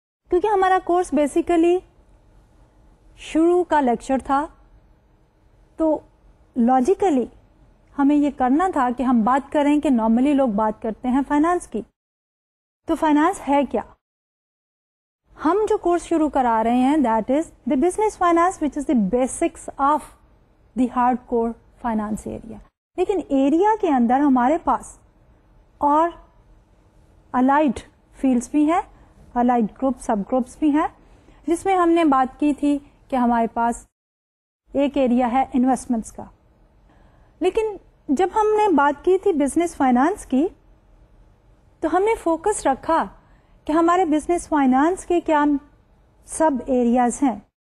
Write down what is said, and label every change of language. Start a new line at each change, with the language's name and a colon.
Urdu: کیونکہ ہمارا course basically شروع کا لیکچر تھا, تو لاجیکلی ہمیں یہ کرنا تھا کہ ہم بات کریں کہ نارملی لوگ بات کرتے ہیں فائنانس کی, تو فائنانس ہے کیا. ہم جو کورس شروع کرا رہے ہیں
English: That is the business finance, which is the basics of the hard core finance area.
Urdu: لیکن ایریا کے اندر ہمارے پاس اور الائڈ فیلڈس بھی ہیں, الائڈ گروپ سب گروپس بھی ہیں, جس میں ہم نے بات کی تھی کہ ہمارے پاس ایک ایریا ہے انویسٹمنٹس کا. لیکن جب ہم نے بات کی تھی بزنس فائنانس کی, تو ہم نے فوکس رکھا کہ ہمارے بزنس فائنانس کے کیا سب ایریاز ہیں.